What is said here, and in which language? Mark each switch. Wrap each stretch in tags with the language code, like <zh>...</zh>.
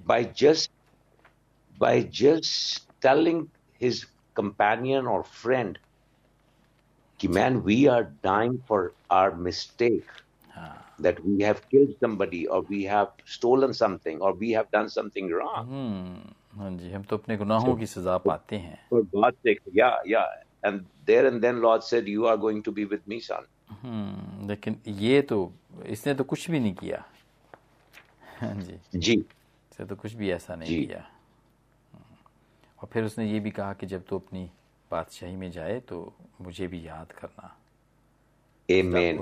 <en>by just telling his companion or friend ki man we are dying for our mistake, that we have killed somebody or we have stolen something or we have done something wrong, mm-hmm.</en> <ur>ہاں جی, ہم تو اپنے گناہوں کی سزا پاتے ہیں, اور بات دیکھ,</ur> <en>yeah, yeah, and there and then Lord said you are going to be with me son,</en> <ur>لیکن یہ تو اس نے تو کچھ بھی نہیں کیا. ہاں جی جی, اس نے تو کچھ بھی ایسا نہیں کیا, اور پھر اس نے یہ بھی کہا کہ جب تو اپنی بادشاہی میں جائے تو مجھے بھی یاد کرنا. آمین.</ur>